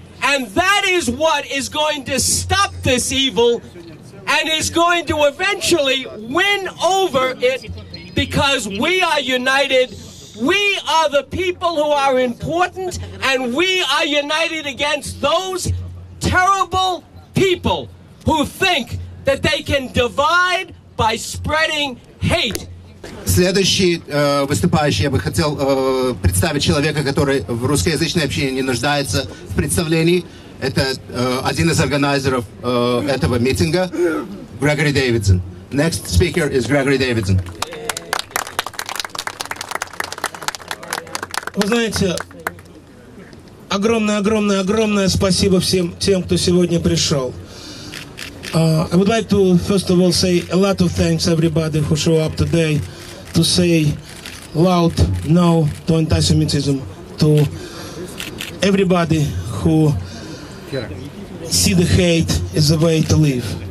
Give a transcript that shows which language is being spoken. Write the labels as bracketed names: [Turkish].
[English] And that is what is going to stop this evil and is going to eventually win over it because we are united. We are the people who are important and we are united against those terrible people who think that they can divide by spreading hate. [Russian] Следующий выступающий, я бы хотел представить человека, который в русскоязычной общине не нуждается в представлении. Это один из организаторов этого митинга, Грегори Дэвидсон. [English] Next speaker is Грегори Дэвидсон. [Russian] Вы знаете, огромное спасибо всем тем, кто сегодня пришел. [English] I would like to, first of all, say a lot of thanks everybody who show up today. To say loud no to anti-Semitism, to everybody who see the hate as a way to live.